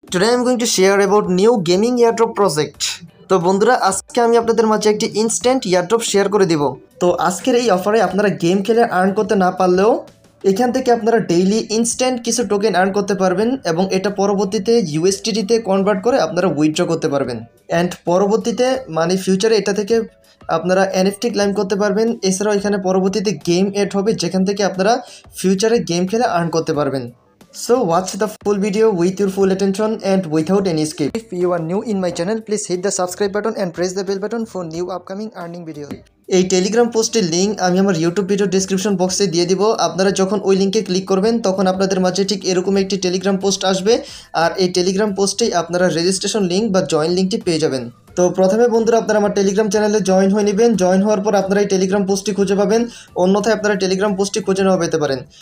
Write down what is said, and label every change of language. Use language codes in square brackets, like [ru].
[en] Today I'm going to share about new gaming airdrop project. [bn] তো বন্ধুরা আজকে আমি আপনাদের মাঝে একটি ইনস্ট্যান্ট এয়ারড্রপ শেয়ার করে দিব। তো আজকের এই অফারে আপনারা গেম খেলে আর্ন করতে না পারলেও এখান থেকে আপনারা ডেইলি ইনস্ট্যান্ট কিছু টোকেন আর্ন করতে পারবেন এবং এটা পরবর্তীতে USDT তে কনভার্ট করে আপনারা উইথড্র করতে পারবেন এন্ড পরবর্তীতে মানে ফিউচারে এটা থেকে আপনারা NFT ক্লেম করতে পারবেন। এছাড়াও এখানে পরবর্তীতে গেম এড হবে যেখান থেকে আপনারা ফিউচারে গেম খেলে আর্ন করতে পারবেন। [en] So watch the full video with your full attention and without any skip. If you are new in my channel, please hit the subscribe button and press the bell button for new upcoming earning video. [bn] এই Telegram পোস্টের link আমি আমার YouTube video description বক্সে দিয়ে দিব। আপনারা যখন ওই লিংকে ক্লিক করবেন তখন আপনাদের মাঝে ঠিক এরকম একটি টেলিগ্রাম পোস্ট আসবে আর এই টেলিগ্রাম পোস্টেই আপনারা রেজিস্ট্রেশন লিংক বা জয়েন লিংকটি পেয়ে যাবেন। তো প্রথমে বন্ধুরা আপনারা আমার টেলিগ্রাম চ্যানেলে জয়েন হয়ে নেবেন। জয়েন হওয়ার পর আপনারা এই টেলিগ্রাম পোস্টটি খুঁজে পাবেন, অন্যথায় আপনারা টেলিগ্রাম পোস্টটি খুঁজে নাও পেতে পারেন।